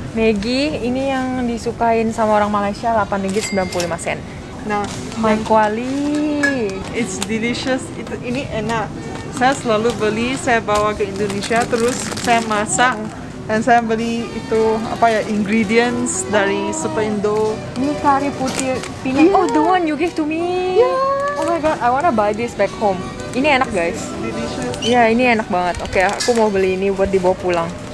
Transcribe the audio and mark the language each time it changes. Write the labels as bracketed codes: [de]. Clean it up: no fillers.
[id] Maggi ini yang disukain sama orang Malaysia 8 ringgit 95 sen. Nah, [en] my quali. It's delicious. [id] Ini enak. Saya selalu beli, saya bawa ke Indonesia, terus saya masak. Dan saya beli itu apa ya, ingredients dari Super Indo. Ini kari putih pinang. [en] Yeah. Oh, the one you give to me. Yeah. Oh my god, I wanna buy this back home. [id] Ini enak, [en] it's guys. Delicious. [id] Yeah, ini enak banget. Oke, okay, aku mau beli ini buat dibawa pulang.